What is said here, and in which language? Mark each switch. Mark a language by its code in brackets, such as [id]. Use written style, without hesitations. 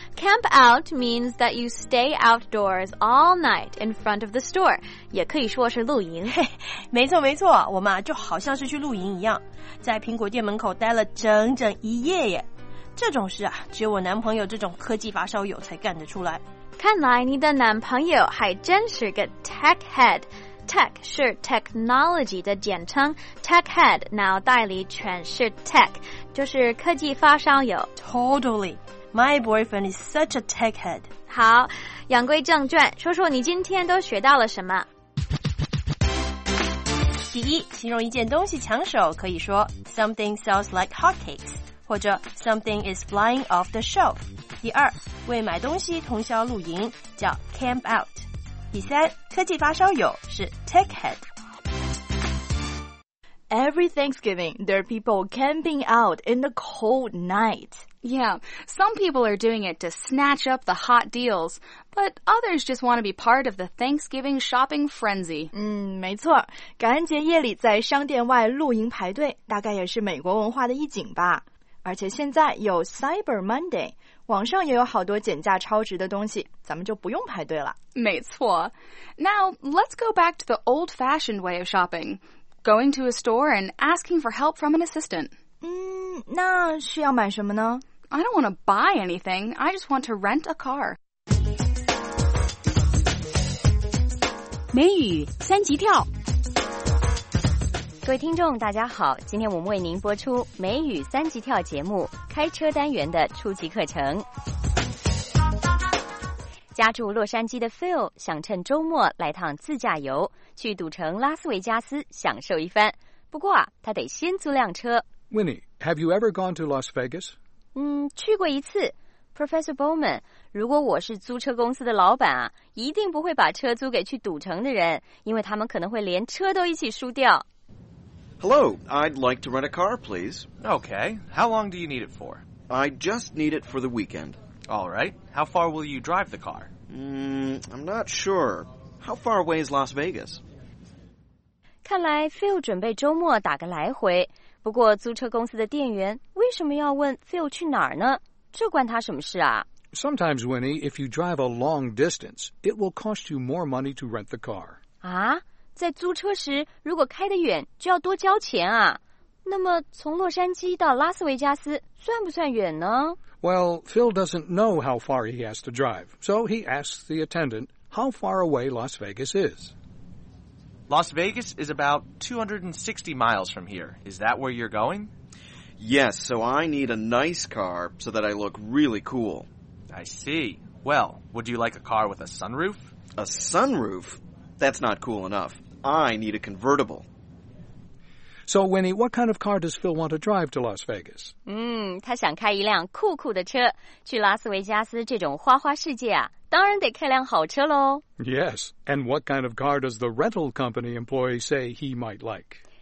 [en] Camp out means that you stay outdoors all night in front of the store. [zh] 也可以说是露营。没错没错，我们就好像是去露营一样，在苹果店门口待了整整一夜耶。这种事啊，只有我男朋友这种科技发烧友才干得出来。看来你的男朋友还真是个 tech head。 Tech 是 technology 的简称， tech head 脑袋里全是 tech， 就是科技发烧友。 [en] Totally. My boyfriend is such a tech head. [zh] 好，言归正传，说说你今天都学到了什么。第一，形容一件东西抢手可以说 [en] something sells like hotcakes， [zh] 或者 [en] something is flying off the shelf。 [zh] 第二，为买东西通宵露营叫 camp out。第三，科技发烧友是 tech head。 [en] Every Thanksgiving, there are people camping out in the cold night. Yeah, some people are doing it to snatch up the hot deals, but others just want to be part of the Thanksgiving shopping frenzy. [zh] 没错，感恩节夜里在商店外露营排队，大概也是美国文化的一景吧。而且现在有 Cyber Monday，网上也有好多减价超值的东西，咱们就不用排队了。没错。 [en] Now, let's go back to the old-fashioned way of shopping. Going to a store and asking for help from an assistant. [zh] 那需要买什么呢？ [en] I don't want to buy anything. I just want to rent a car. [zh] 美语三级跳。各位听众大家好，今天我们为您播出美语三级跳节目开车单元的初级课程。家住洛杉矶的 Phil 想趁周末来趟自驾游，去赌城拉斯维加斯享受一番，不过他得先租辆车。 [en] Winnie, have you ever gone to Las Vegas? [zh] 去过一次。Professor Bowman, 如果我是租车公司的老板啊，一定不会把车租给去赌城的人，因为他们可能会连车都一起输掉。 [en] Hello, I'd like to rent a car, please. Okay, how long do you need it for? I just need it for the weekend. All right, how far will you drive the car? I'm not sure. How far away is Las Vegas? [zh] 看来 Phil 准备周末打个来回，不过租车公司的店员为什么要问 Phil 去哪儿呢？这关他什么事啊？ [en] Sometimes, Winnie, if you drive a long distance, it will cost you more money to rent the car. [zh] 啊？在租车时如果开得远就要多交钱啊，那么从洛杉矶到拉斯维加斯算不算远呢？ [en] Well, Phil doesn't know how far he has to drive, so he asks the attendant how far away Las Vegas is. Las Vegas is about 260 miles from here. Is that where you're going? Yes, so I need a nice car so that I look really cool. I see. Well, would you like a car with a sunroof? A sunroof? That's not cool enough. I need a convertible. So, Winnie, what kind of car does Phil want to drive to Las Vegas? [zh] 他想开一辆酷酷的车，去拉斯维加斯这种花花世界啊，当然得开辆好车咯。 [en] Yes, and what kind of car does the rental company employee say he might like?